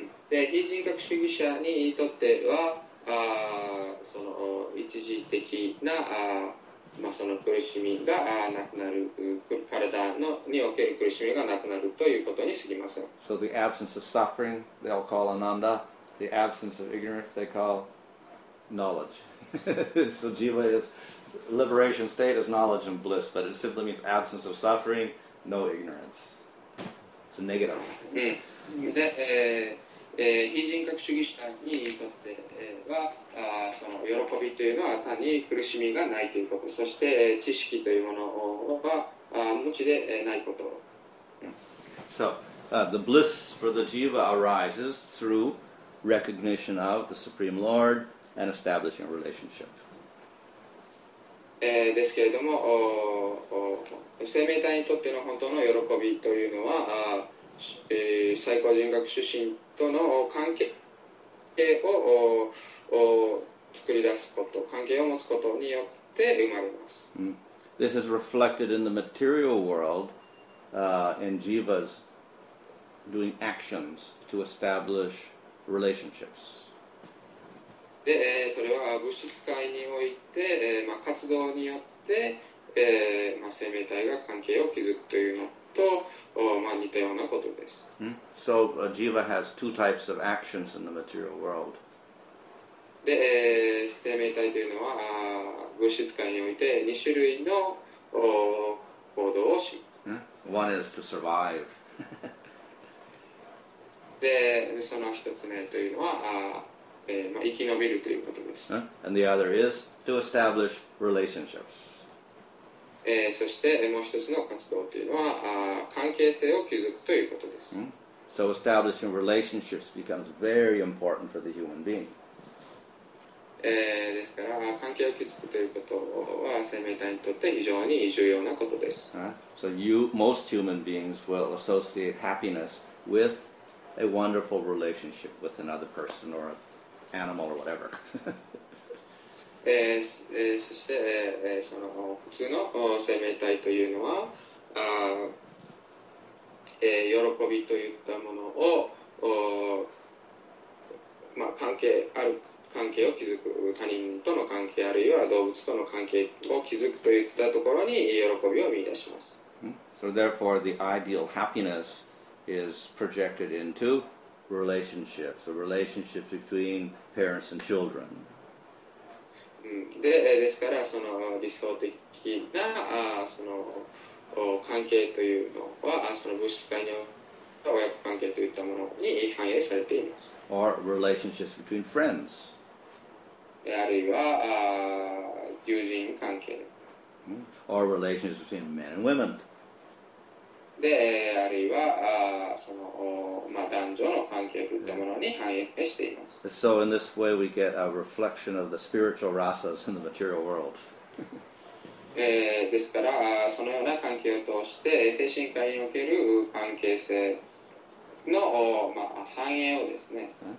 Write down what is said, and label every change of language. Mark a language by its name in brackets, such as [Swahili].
[Japanese] で、非人格主義者にとっては、その一時的な、まあ、その苦しみがなくなる、体のにおける苦しみがなくなるということにすぎません。 [English] So the absence of suffering, they'll call ananda. The absence of ignorance, they call knowledge. So jiva is... Liberation state is knowledge and bliss, but it simply means absence of suffering, no ignorance. It's a negative. [Japanese] で、非人格主義者にとっては、その喜びというのは単に苦しみがないということ、そして知識というものは無知でないこと。 [English] So, the bliss for the jiva arises through recognition of the Supreme Lord and establishing a relationship. [Japanese] ですけれども、生命体にとっての本当の喜びというのは、最高人格主神との関係を作り出すこと、関係を持つことによって生まれます。 Mm. [English] This is reflected in the material world, in jivas doing actions to establish relationships. [Japanese] で、それは物質界において、まあ、活動によって、まあ、生命体が関係を築くというのと、まあ、似たようなことです。 [English] Mm. So, a jiva has two types of actions in the material world. [Japanese] で、生命体というのは物質界において2種類の行動をし、 [English] One is to survive. [Japanese] で、その一つ目というのは、まあ、生き延びるということです。 [English] And the other is to establish relationships. [Japanese] そしてもう一つの活動というのは関係性を築くということです。 [English] So establishing relationships becomes very important for the human being. [Japanese] ですから関係を築くということは生命体にとって非常に重要なことです。 [English] So you, most human beings will associate happiness with a wonderful relationship with another person or animal or whatever. [Japanese] そして、その普通の生命体というのは、喜びといったものを、まあ、関係ある関係を築く、他人との関係あるいは動物との関係を築くといったところに喜びを見出します。 [English] So therefore the ideal happiness is projected into relationships, the relationships between parents and children. [Japanese] ですからその理想的なその関係というのはその物質界に親子関係といったものに反映されています。 [English] Or relationships between friends. [Japanese] あるいは友人関係、 [English] or relations between men and women。 [Japanese] で、あるいはその、まあ、男女の関係といったものに反映しています。 [English] So in this way we get a reflection of the spiritual rasas in the material world. [Japanese] ですから、そのような関係を通して精神界における関係性の、まあ、反映をですね。